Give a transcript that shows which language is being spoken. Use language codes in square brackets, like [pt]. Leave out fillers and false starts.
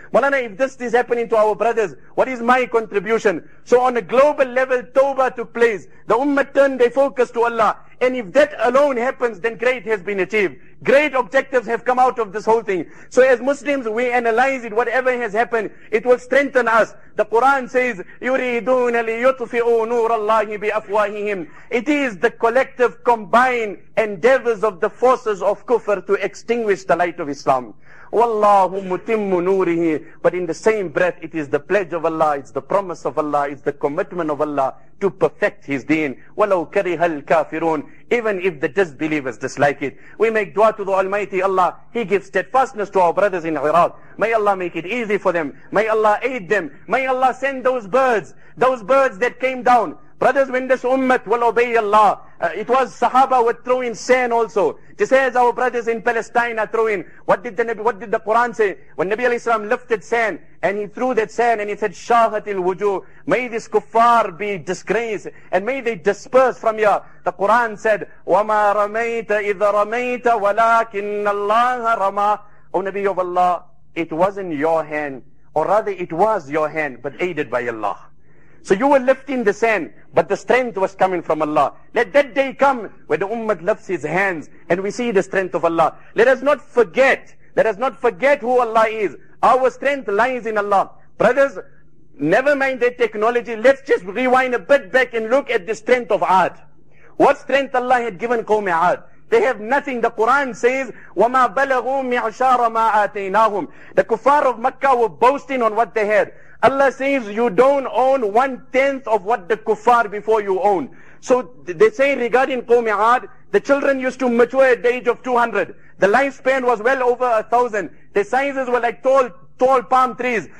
[en] Malana, if this is happening to our brothers, what is my contribution? So on a global level, Tawbah took place. The Ummah turned their focus to Allah. And if that alone happens, then great has been achieved. Great objectives have come out of this whole thing. So as Muslims, we analyze it. Whatever has happened, it will strengthen us. The Quran says, [ar] يُرِيدُونَ لِيُطْفِئُوا نُورَ اللَّهِ بِأَفْوَاهِهِمْ. [en] It is the collective, combined endeavors of the forces of kufr to extinguish the light of Islam. [ar] وَاللَّهُ مُتِمُّ نُورِهِ. [en] But in the same breath, it is the pledge of Allah, it's the promise of Allah, it's the commitment of Allah to perfect His deen. [ar] وَلَوْ كَرِهَ الْكَافِرُونَ. [en] Even if the disbelievers dislike it, we make dua to the Almighty Allah. He gives steadfastness to our brothers in Iraq. May Allah make it easy for them. May Allah aid them. May Allah send those birds that came down. Brothers, when this ummah will obey Allah, it was Sahaba were throwing sand also. Just as our brothers in Palestine are throwing. What did the Quran say? When Nabi alayhi salam lifted sand, and he threw that sand, and he said, [ar] Shahatil wujuh, [en] may this kuffar be disgraced, and may they disperse from here. The Quran said, [ar] وَمَا رَمَيْتَ إِذَا رَمَيْتَ وَلَكِنَّ اللَّهَ رَمَى. [en] O Nabi of Allah, it wasn't your hand, or rather it was your hand, but aided by Allah. So you were lifting the sand, but the strength was coming from Allah. Let that day come where the ummah lifts his hands and we see the strength of Allah. Let us not forget who Allah is. Our strength lies in Allah. Brothers, never mind the technology. Let's just rewind a bit back and look at the strength of Aad. What strength Allah had given Qawm Aad? They have nothing. The Quran says, [ar] وَمَا بَلَغُوا مِعْشَارَ مَا آتَيْنَاهُمْ. [en] The kuffar of Makkah were boasting on what they had. Allah says, you don't own 1/10 of what the kuffar before you own. So they say regarding Qawm Aad, the children used to mature at the age of 200. The lifespan was well over 1,000. The sizes were like tall palm trees.